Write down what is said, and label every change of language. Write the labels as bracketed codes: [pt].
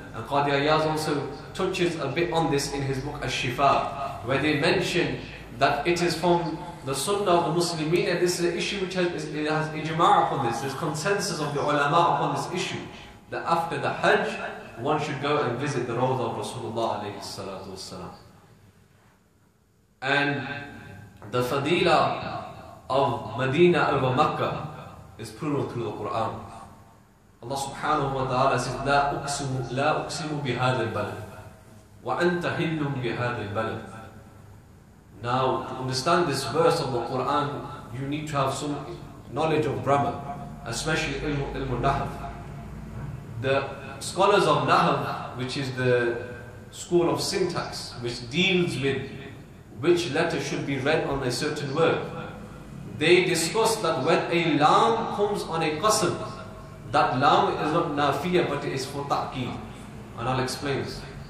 [en] And Qadi Ayaz also touches a bit on this in his book Ash-Shifa, where they mention that it is from the sunnah of the Muslimin, and this is an issue which has ijma' upon this, there's consensus of the ulama upon this issue, that after the Hajj, one should go and visit the Rawdah of Rasulullah alayhi salatu wasalam. And the fadila of Medina over Makkah is proven through the Quran. Allah subhanahu wa ta'ala says, [ar] لا أقسم بهذا البلد [en] وأنت حل بهذا البلد. Now, to understand this verse of the Quran, you need to have some knowledge of grammar, especially ilm al-Nahw. The scholars of Nahw, which is the school of syntax, which deals with which letter should be read on a certain word, they discuss that when a lam comes on a qasam, that lam is not nafiyah, but it is for ta'qeed. And I'll explain this.